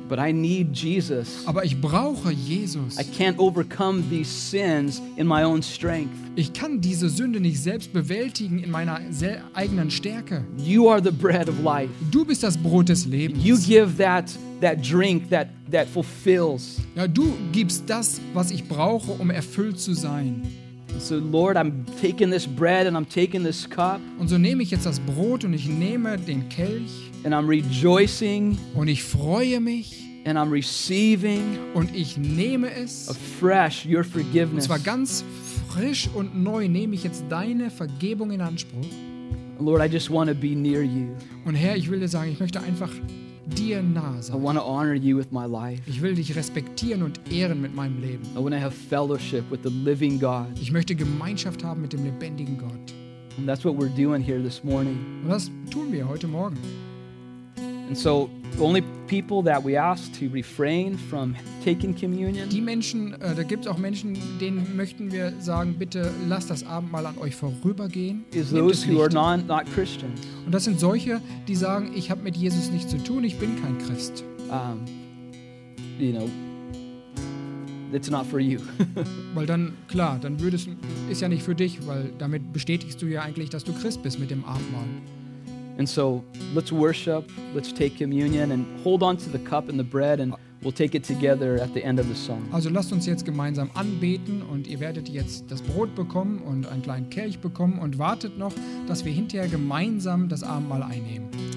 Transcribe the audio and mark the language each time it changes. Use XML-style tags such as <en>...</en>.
<en>But I need Jesus.</en> <de>Aber ich brauche Jesus.</de> <en>I can't overcome these sins in my own strength.</en> <de>Ich kann diese Sünde nicht selbst bewältigen in meiner eigenen Stärke.</de> <en>You are the bread of life.</en> <de>Du bist das Brot des Lebens.</de> <en>You give that drink that fulfills.</en> <de>Ja, du gibst das, was ich brauche, um erfüllt zu sein.</de> <en>So, Lord, I'm taking this bread and I'm taking this cup.</en> <de>Und so nehme ich jetzt das Brot und ich nehme den Kelch.</de> <en>And I'm rejoicing.</en> <de>Und ich freue mich.</de> <en>And I'm receiving.</en> <de>Und ich nehme es.</de> <en>Afresh your forgiveness.</en> <de>Und zwar ganz frisch und neu nehme ich jetzt deine Vergebung in Anspruch.</de> <en>Lord, I just want to be near you.</en> <de>Und Herr, ich will dir sagen, ich möchte einfach dir nah sein.</de> <en>I want to honor you with my life.</en> <de>Ich will dich respektieren und ehren mit meinem Leben.</de> <en>I want to have fellowship with the living God.</en> <de>Ich möchte Gemeinschaft haben mit dem lebendigen Gott.</de> <en>And that's what we're doing here this morning.</en> <de>Und das tun wir heute Morgen.</de> <en>And so, the only people that we ask to refrain from taking communion.</en> <de>Die Menschen, da gibt's auch Menschen, denen möchten wir sagen, bitte lasst das Abendmahl an euch vorübergehen.</de> <en>Is those who are not Christians.</en> <de>Und das sind solche, die sagen, ich habe mit Jesus nichts zu tun, ich bin kein Christ.</de> <en>You know, it's not for you.</en> <de>Weil dann klar, dann würdest ist ja nicht für dich, weil damit bestätigst du ja eigentlich, dass du Christ bist mit dem Abendmahl.</de> <en>And so let's worship, let's take communion and hold on to the cup and the bread and we'll take it together at the end of the song.</en> <de>Also lasst uns jetzt gemeinsam anbeten und ihr werdet jetzt das Brot bekommen und einen kleinen Kelch bekommen und wartet noch, dass wir hinterher gemeinsam das Abendmahl einnehmen.</de>